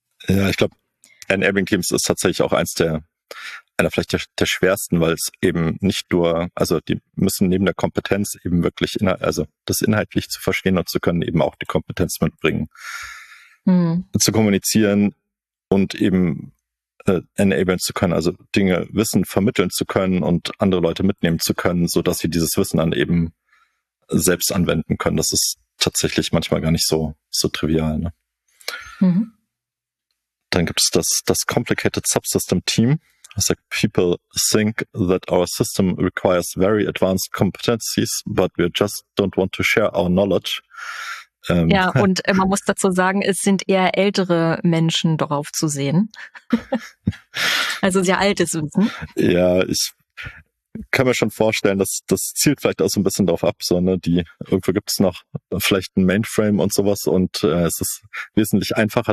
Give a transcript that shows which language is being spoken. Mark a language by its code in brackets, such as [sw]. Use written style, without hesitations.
[de] Ja, ich glaube, Enabling-Teams ist tatsächlich auch einer vielleicht der schwersten, weil es eben nicht nur, also die müssen neben der Kompetenz eben wirklich, also das inhaltlich zu verstehen und zu können, eben auch die Kompetenz mitbringen, zu kommunizieren und eben enablen zu können, also Dinge, Wissen vermitteln zu können und andere Leute mitnehmen zu können, so dass sie dieses Wissen dann eben selbst anwenden können. Das ist tatsächlich manchmal gar nicht so trivial, ne? Dann gibt es das Complicated Subsystem Team. [en] It's like people think that our system requires very advanced competencies, but we just don't want to share our knowledge. [de] Ja, und man muss dazu sagen, es sind eher ältere Menschen drauf zu sehen. Also sehr altes Wissen. Ja, ich kann mir schon vorstellen, dass das zielt vielleicht auch so ein bisschen drauf ab, so, ne, die, irgendwo gibt es noch vielleicht ein Mainframe und sowas und es ist wesentlich einfacher.